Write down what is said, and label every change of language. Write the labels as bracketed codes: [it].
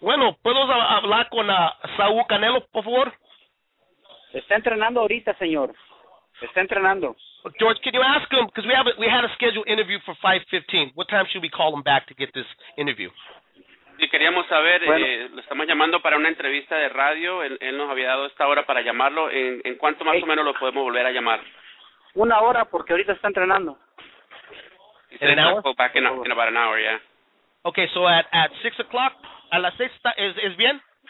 [es] Bueno, ¿puedo hablar con Saúl Canelo, por favor? Está entrenando ahorita, señor. Está entrenando. [en] George, can you ask him, because we had a scheduled interview for 5:15. What time should we call him back to get this interview? [es] Sí, queríamos saber, bueno. Lo estamos llamando para una entrevista de radio. Él nos había dado esta hora para llamarlo. ¿En cuánto más o menos lo podemos volver a llamar? Una hora, porque ahorita está entrenando. ¿En una hora? [en] Back in about an hour, yeah. Okay, so at 6 o'clock, [es] a las 6, ¿es bien?